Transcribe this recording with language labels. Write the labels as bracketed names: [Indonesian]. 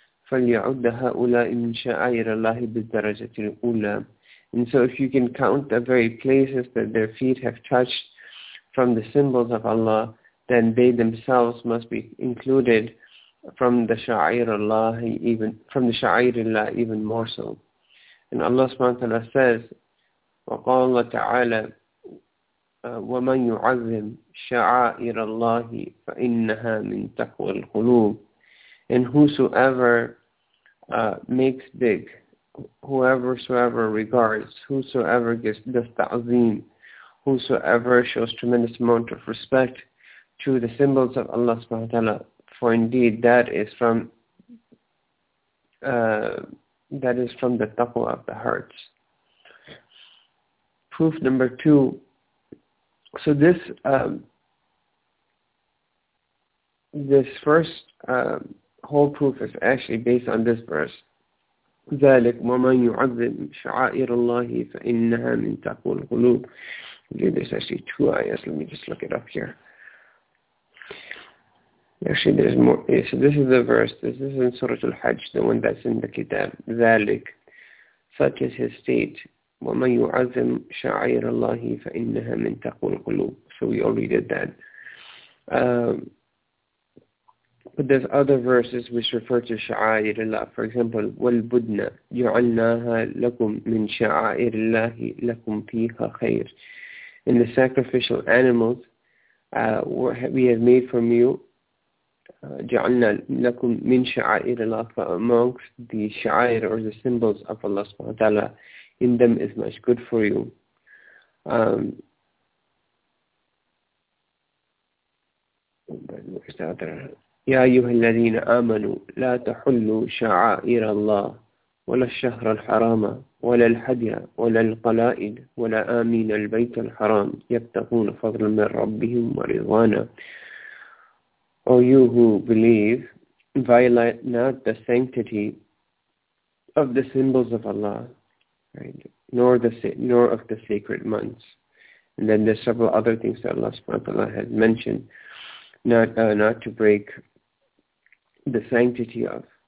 [Arabic] فليعد هؤلاء من شعائر الله بالدرجة الأولى. [English] And so if you can count the very places that their feet have touched from the symbols of Allah, then they themselves must be included from the sha'air Allah, even from the sha'air Allah even more so. And Allah subhanahu wa ta'ala says, [Arabic] وَقَالَ اللَّهُ تَعَالَى وَمَنْ يُعَظِّمْ شَعَائِرَ اللَّهِ فَإِنَّهَا مِنْ تَقْوَى الْقُلُوبِ. [English] And whosoever makes big, whoever regards, whosoever gives the ta'zeem, whosoever shows tremendous amount of respect to the symbols of Allah subhanahu wa ta'ala, for indeed that is from the taqwa of the hearts. Proof number two. So this this first whole proof is actually based on this verse. [Arabic] ذلك ومن يعظم شعائر الله فإنها من تقوى القلوب. [English] There's actually two ayahs. Let me just look it up here. Actually, there's more. Yeah, so this is the verse. This is in Surah Al-Hajj, the one that's in the Kitab. [Arabic] ذلك, [English] such is his state. [Arabic] وَمَنْ يُعَظِّمْ شَعَائِرَ اللَّهِ فَإِنَّهَا مِنْ تَقْوَى الْقُلُوبِ. [English] So we already did that. But there's other verses which refer to [Arabic] شعائر الله. [English] For example, [Arabic] وَالْبُدْنَ جُعَلْنَاهَا لَكُمْ مِنْ شَعَائِرِ اللَّهِ لَكُمْ فِيهَا خَيْرٍ. [English] In the sacrificial animals, we have made from you, [Arabic] جعلنا لكم من شعائر الله, [English] amongst the شعائر or the symbols of Allah subhanahu wa ta'ala, in them is much good for you. Where's the other? [Arabic] يا أيها الذين آمنوا لا تحلوا شعائر الله ولا الشهر الحرام ولا الهدي ولا القلائد ولا آمين البيت الحرام يبتغون فضلا من ربهم ورضوانا. [English] O you who believe, violate not the sanctity of the symbols of Allah, right? nor of the sacred months. And then there's several other things that Allah subhanahu wa ta'ala has mentioned, not to break the sanctity of.